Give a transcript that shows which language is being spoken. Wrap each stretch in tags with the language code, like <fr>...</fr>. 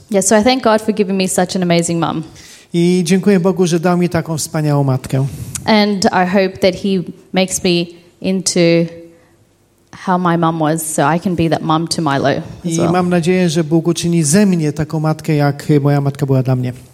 <en>Yeah, so I thank God for giving me such an amazing mom.</en> <pl>I dziękuję Bogu, że dał mi taką wspaniałą matkę.</pl> <en>And I hope that He makes me into how my mom was, so I can be that mom to Milo.</en> <pl>I mam nadzieję, że Bóg uczyni ze mnie taką matkę, jak moja matka była dla mnie.</pl>